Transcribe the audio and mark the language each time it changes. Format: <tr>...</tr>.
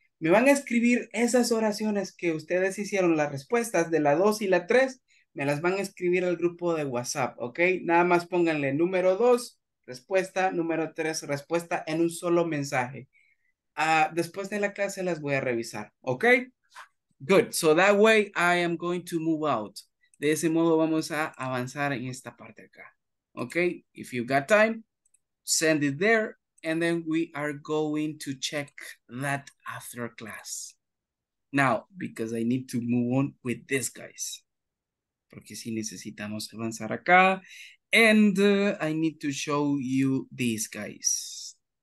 <es>Me van a escribir esas oraciones que ustedes hicieron, las respuestas de la 2 y la 3, me las van a escribir al grupo de WhatsApp, ¿ok? Nada más pónganle número 2, respuesta, número 3, respuesta en un solo mensaje. Después de la clase las voy a revisar, ¿ok?</es> <en>Good, so that way I am going to move out.</en> <es>De ese modo vamos a avanzar en esta parte acá, ¿ok?</es> <en>If you got time, send it there. And then we are going to check that after class. Now, because I need to move on with this, guys.</en> <es>Porque si necesitamos avanzar acá.</es> <en>And I need to show you these guys.</en>